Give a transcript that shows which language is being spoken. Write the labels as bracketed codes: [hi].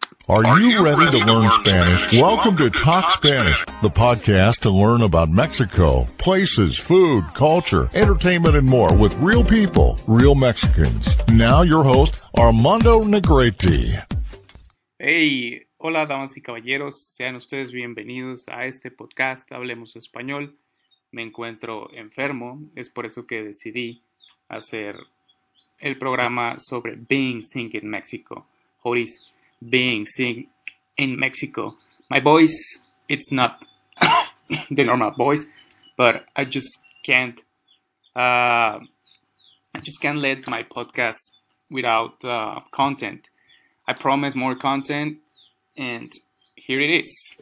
[en] Are you ready to learn Spanish? Welcome to Talk Spanish, the podcast to learn about Mexico, places, food, culture, entertainment, and more with real people, real Mexicans. Now your host, Armando Negrete. [es] Hey, hola damas y caballeros, sean ustedes bienvenidos a este podcast, Hablemos Español. Me encuentro enfermo, es por eso que decidí hacer el programa sobre [en] being sick in Mexico. Joris, being sick in Mexico. My voice, it's not the normal voice, but I just can't let my podcast without content. I promised more content, and here it is.